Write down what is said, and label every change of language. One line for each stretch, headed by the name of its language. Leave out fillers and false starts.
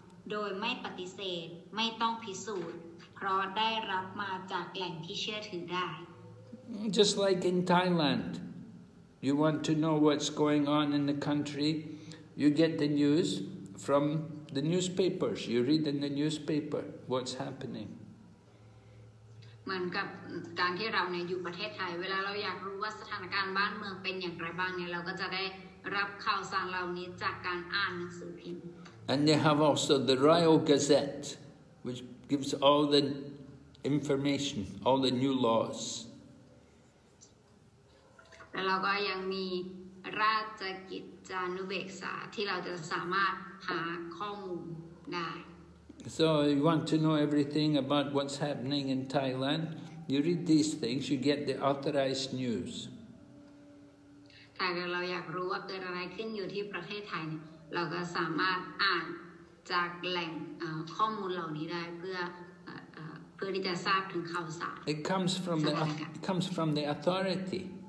Thai: โดยไม่ปฏิเสธไม่ต้องพิสูจน์เพราะได้รับมาจากแหล่งที่เชื่อถือได้
English: Just like in Thailand you want to know what's going on in the country you get the news from the newspapers you read in the newspaper what's happening
Thai: เหมือนกับการที่เราเนี่ยอยู่ประเทศไทยเวลาเราอยากรู้ว่าสถานการณ์บ้านเมืองเป็นอย่างไรบ้างเนี่ยเราก็จะได้รับข่าวสารเหล่านี้จากการอ่านหนังสือพิมพ์
English: And they have also the Royal Gazette, which gives all the information, all the new laws.
Thai: แล้วก็ยังมีราชกิจจานุเบกษาที่เราจะสามารถหาข้อมูลได้
English: So you want to know everything about what's happening in Thailand, you read these things, you get the authorized news.
Thai: ถ้าเราอยากรู้ว่าเกิดอะไรขึ้นอยู่ที่ประเทศไทยเราก็สามารถอ่านจากแหล่งข้อมูลเหล่านี้ได้เพื่อที่จะทราบถึงข่าวสาร
English: It comes from the authority.